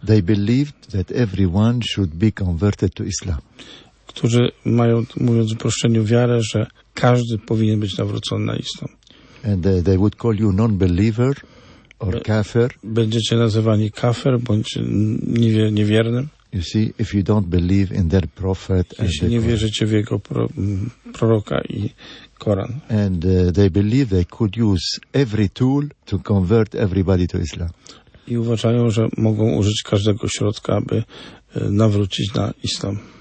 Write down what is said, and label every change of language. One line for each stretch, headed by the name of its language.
English: They believed that everyone should be converted to Islam.
Polish: Którzy mają, mówiąc w uproszczeniu, wiarę, że każdy powinien być nawrócony na islam.
English: And they would call you non-believer or kafir.
Polish: Będziecie nazywani kafir bądź niewiernym.
English: You see, if you don't believe in their prophet and
Polish: jeśli nie wierzycie w jego proroka i Koran.
English: And they believe they could use every tool to convert everybody to Islam.
Polish: I uważają, że mogą użyć każdego środka, aby nawrócić na Islam.